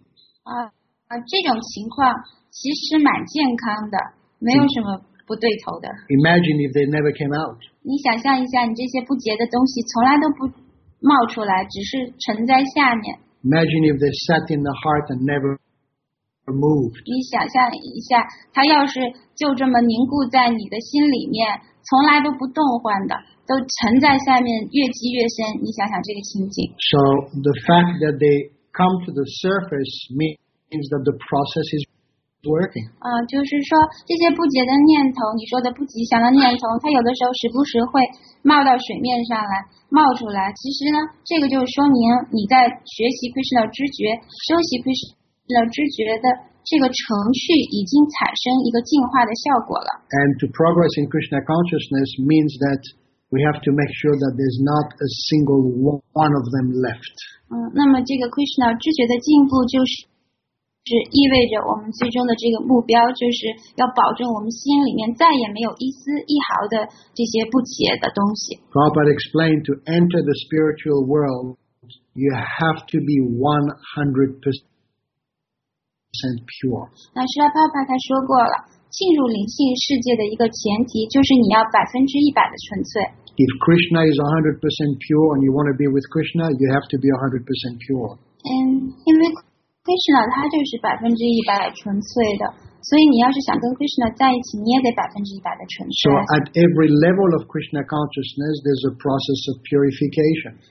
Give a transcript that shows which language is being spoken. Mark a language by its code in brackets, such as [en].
[zh] 这种情况其实蛮健康的，没有什么不对头的。 [en] Imagine if they never came out. [zh] 你想象一下，你这些不洁的东西从来都不冒出来，只是沉在下面。 [en] Imagine if they sat in the heart and never moved. [zh] 你想象一下，它要是就这么凝固在你的心里面，从来都不动换的，都沉在下面，越积越深。你想想这个情景。 [en] So the fact that they come to the surface means that the process is working. [zh] 就是说这些不洁的念头，你说的不吉祥的念头，它有的时候时不时会冒到水面上来，冒出来。其实呢，这个就是说明你在学习 Krishna 知觉，修习 Krishna 知觉的这个程序已经产生一个进化的效果了。 [en] And to progress in Krishna consciousness means that We have to make sure that there's not a single one of them left. [zh] 那么这个 Krishna 知觉的进步就是是意味着我们最终的这个目标就是要保证我们心里面再也没有一丝一毫的这些不洁的东西。 [en] Prabhupada explained, to enter the spiritual world, you have to be 100% pure. [zh] 那释迦牟尼佛他说过了，进入灵性世界的一个前提就是你要100%的纯粹。 [en] If Krishna is 100% pure and you want to be with Krishna, you have to be 100% pure. [zh] Krishna 他就是100%纯粹的，所以你要是想跟 Krishna 在一起，你也得100%的纯粹。 [en] So at every level of Krishna consciousness, there's a process of purification.